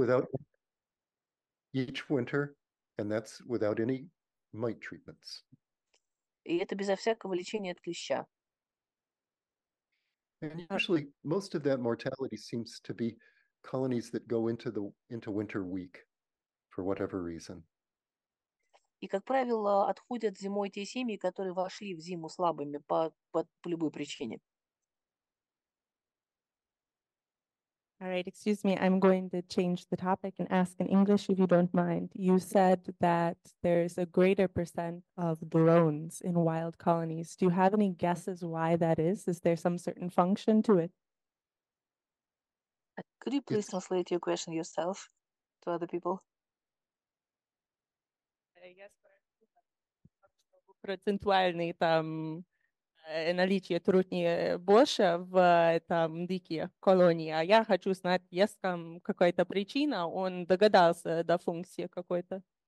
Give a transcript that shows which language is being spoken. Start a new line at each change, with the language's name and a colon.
English: Without each winter, and that's without any mite treatments.
Russian: И это безо всякого лечения от клеща.
English: And usually most of that mortality seems to be colonies that go into winter weak for whatever reason.
Russian: И, как правило, отходят зимой те семьи, которые вошли в зиму слабыми по любой причине.
English: All right, excuse me, I'm going to change the topic and ask in English, if you don't mind. You said that there's a greater percent of drones in wild colonies. Do you have any guesses why that is? Is there some certain function to it? Could you please translate your question yourself to other people?
Russian: Процентуальный там наличие трутни больше в там дикие колонии. А я хочу знать, есть там какая-то причина, он догадался до функции какой-то.